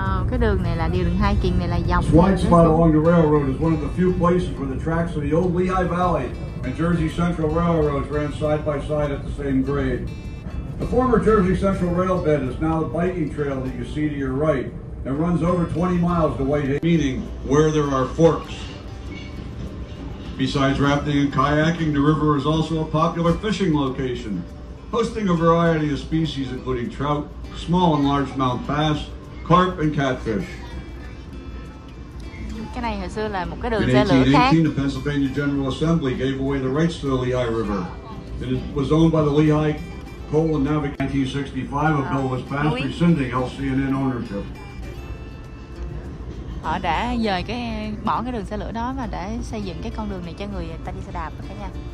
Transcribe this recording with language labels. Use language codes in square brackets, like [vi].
[vi] Cái đường này là đường hiking này là dọc. [en] Swine spot along the railroad is one of the few places where the tracks of the old Lehigh Valley and Jersey Central Railroads ran side by side at the same grade. The former Jersey Central Rail bed is now the biking trail that you see to your right. It runs over 20 miles to Whitehead, meaning where there are forks. Besides rafting and kayaking, the river is also a popular fishing location, hosting a variety of species including trout, small and largemouth bass, carp and catfish. [vi] Cái này hồi xưa là một cái đường xe lửa khác. [en] In 1818, the Pennsylvania General Assembly gave away the rights to the Lehigh River. It was owned by the Lehigh Coal and Navigation. In 1965, a bill was passed rescinding LCNN ownership. [vi] Họ đã dời cái bỏ cái đường xe lửa đó và đã xây dựng cái con đường này cho người ta đi xe đạp cả nhà.